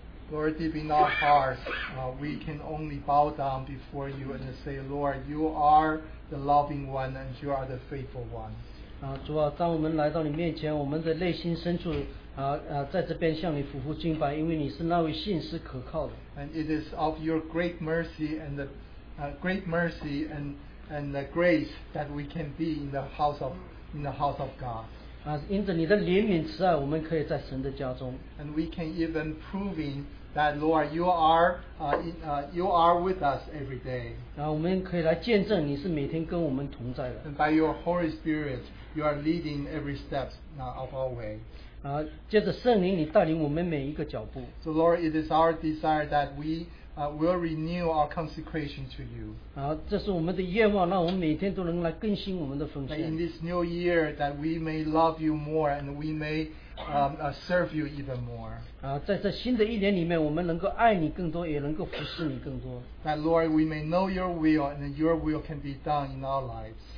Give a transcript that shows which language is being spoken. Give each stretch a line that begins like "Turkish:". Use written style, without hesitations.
English: Lord, deep in our hearts, we can only bow down before you and say, Lord, you are the loving one and you are the faithful one.
Chinese: 主啊，当我们来到你面前，我们的内心深处，在这边向你俯伏敬拜，因为你是那位信实可靠的。
English: And it is of your great mercy and the great mercy and the grace that we can be in the house of God.
Chinese: 因着你的怜悯慈爱，我们可以在神的家中。
English: And we can even proving that, Lord, you are with us every day.
Chinese: 我们可以来见证你是每天跟我们同在的。
English: And by your Holy Spirit, you are leading every step of our way.
Chinese: 接着圣灵，你带领我们每一个脚步。
English: So, Lord, it is our desire that we will renew our consecration to you.
Chinese: 这是我们的愿望，让我们每天都能来更新我们的奉献。
English: In this new year, that we may love you more and we may serve you even more.
Chinese: 在这新的一年里面，我们能够爱你更多，也能够服侍你更多。
English: That Lord, we may know your will and your will can be done in our lives.